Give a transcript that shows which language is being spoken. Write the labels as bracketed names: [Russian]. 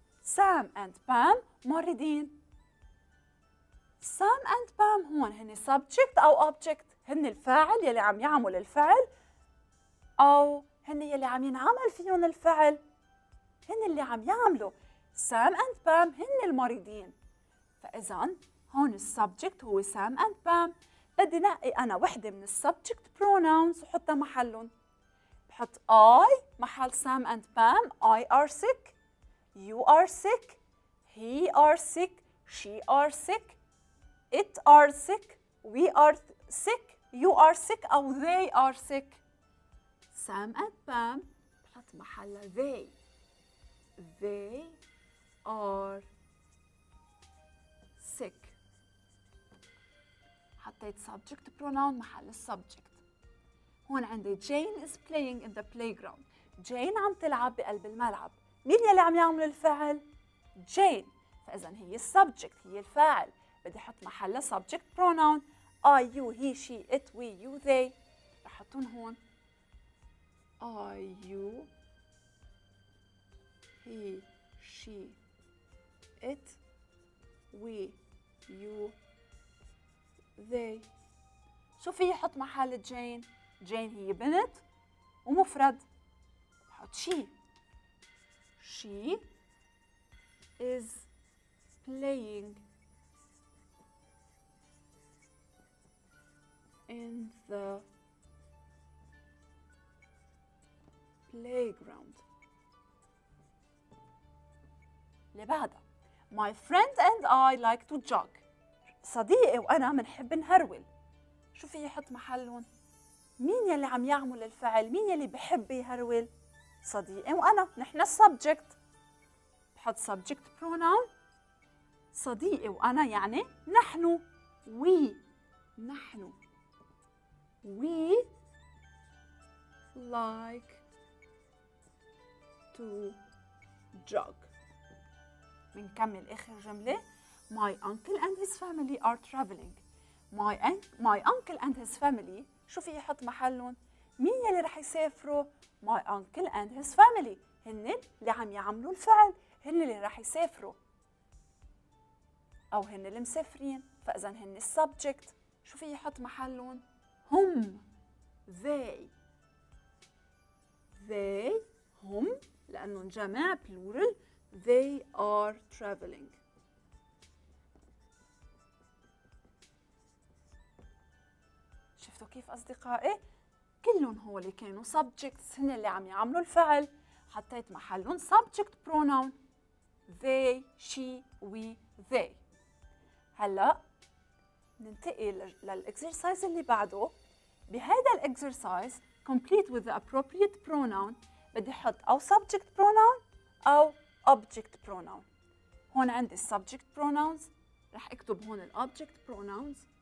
[Arabic] Sam and Pam مريضين. Sam and Pam هون هني subject أو object هني الفاعل يلي عم يعمل الفعل أو هني يلي عم ينعمل فيهم الفعل هني اللي عم يعملوا. Sam and Pam هني المريضين فإذا هون subject هو Sam and Pam بدي نقي أنا وحدة من subject pronouns وحطها محلهم. حط I محل Sam and Pam. [English] I are sick. You are sick. He are sick. She are sick. It are sick. We are sick. You are sick. [Arabic] أو [English] they are sick. Sam and Pam. [Arabic] حط محل [English] they. they are sick. [Arabic] حطيت [English] subject pronoun محل subject. [Arabic] هون عندي [English] Jane is playing in the playground. [Arabic] جين عم تلعب بقلب الملعب. مين يلي عم يعمل الفعل؟ جين. فإذا هي السبجكت، هي الفاعل. بدي حط محلها سبجكت برونون. [English] I, you, he, she, it, we, you, they. [Arabic] رح حطون هون. [English] I, you, he, she, it, we, you, they. [Arabic] شو في يحط محل جين؟ جين هي بنت ومفرد. [English] She is playing in the playground. [Arabic] اللي بعدها. [English] My friend and I like to jog. [Arabic] صديقي وأنا منحب نهرول. شو في يحط محلهم؟ مين يلي عم يعمل الفعل؟ مين يلي بحب يهرول؟ صديقي وأنا، نحن السبجكت. بحط سبجكت pronoun. صديقي وأنا يعني نحن. We. نحن. [English] We like to jog. [Arabic] منكمل آخر جملة. [English] My uncle and his family are traveling. My uncle and his family. [Arabic] شو في يحط محلهم؟ مين يلي رح يسافروا؟ [English] My uncle and his family. [Arabic] هن اللي عم يعملوا الفعل. هن اللي رح يسافروا. أو هن اللي مسافرين. فإذا هن السبجكت. شو في يحط محلهم؟ هم. They. They. هم. لأنه جمع بلورل. [English] They are traveling. [Arabic] شفتوا كيف أصدقائي؟ كلهم هو اللي كانوا subjects، هن اللي عم يعملوا الفعل. حطيت محلهم subject pronoun. [English] They, she, we, they. [Arabic] هلأ ننتقل للإكسرسايز اللي بعده. بهذا الإكسرسايز [English] complete with the appropriate pronoun. [Arabic] بدي حط أو subject pronoun أو object pronoun. هون عندي subject pronouns. رح أكتب هون object pronouns.